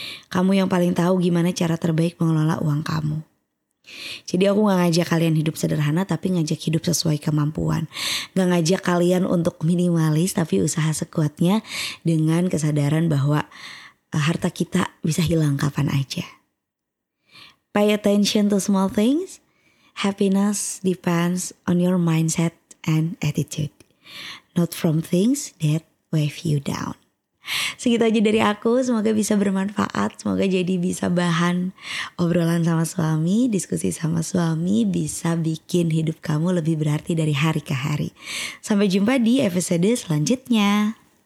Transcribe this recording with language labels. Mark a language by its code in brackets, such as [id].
[id] Kamu yang paling tahu gimana cara terbaik mengelola uang kamu. Jadi aku gak ngajak kalian hidup sederhana, tapi ngajak hidup sesuai kemampuan. Gak ngajak kalian untuk minimalis, tapi usaha sekuatnya dengan kesadaran bahwa harta kita bisa hilang kapan aja. [en] Pay attention to small things. Happiness depends on your mindset and attitude, not from things that weigh you down. [id] Segitu aja dari aku, semoga bisa bermanfaat, semoga jadi bisa bahan obrolan sama suami, diskusi sama suami, bisa bikin hidup kamu lebih berarti dari hari ke hari. Sampai jumpa di episode selanjutnya.